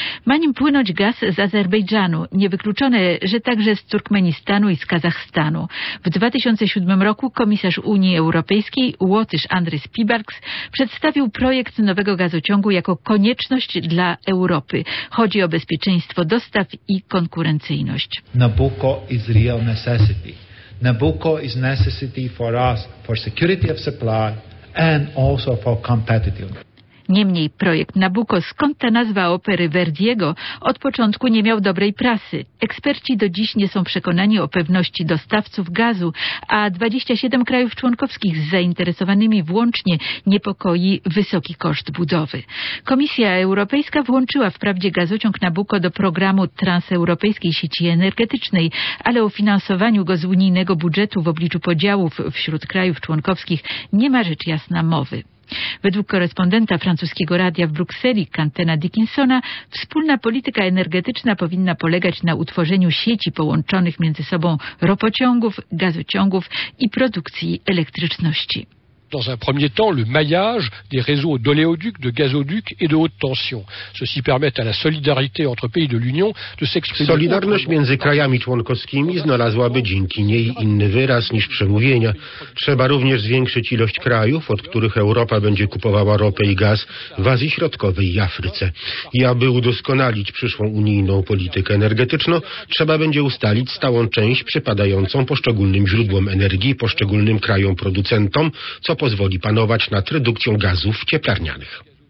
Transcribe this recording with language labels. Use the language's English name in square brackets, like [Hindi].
[Polish] Ma nim płynąć gaz z Azerbejdżanu, niewykluczone, że także z Turkmenistanu i z Kazachstanu. W 2007 roku komisarz Unii Europejskiej Łotysz Andris Piebalgs przedstawił projekt nowego gazociągu jako konieczność dla Europy. Chodzi o bezpieczeństwo dostaw i konkurencyjność. [English] Nabucco is real necessity. Nabucco is necessity for us, for security of supply and also for competitiveness. [Polish] Niemniej projekt Nabucco, skąd ta nazwa opery Verdiego, od początku nie miał dobrej prasy. Eksperci do dziś nie są przekonani o pewności dostawców gazu, a 27 krajów członkowskich z zainteresowanymi włącznie niepokoi wysoki koszt budowy. Komisja Europejska włączyła wprawdzie gazociąg Nabucco do programu Transeuropejskiej Sieci Energetycznej, ale o finansowaniu go z unijnego budżetu w obliczu podziałów wśród krajów członkowskich nie ma rzecz jasna mowy. Według korespondenta francuskiego radia w Brukseli, Quentena Dickinsona, wspólna polityka energetyczna powinna polegać na utworzeniu sieci połączonych między sobą ropociągów, gazociągów i produkcji elektryczności. [French] Dans un premier temps, le maillage des réseaux d'oléoducs, de gazoducs et de haute tension. Ceci permet à la solidarité entre pays de l'Union de s'exprimer. [Polish] Solidarność między krajami członkowskimi znalazłaby dzięki niej inny wyraz niż przemówienia. Trzeba również zwiększyć ilość krajów, od których Europa będzie kupowała ropę i gaz w Azji Środkowej i Afryce. I aby udoskonalić przyszłą unijną politykę energetyczną, trzeba będzie ustalić stałą część przypadającą poszczególnym źródłom energii, poszczególnym krajom producentom, co pozwoli panować nad redukcją gazów cieplarnianych.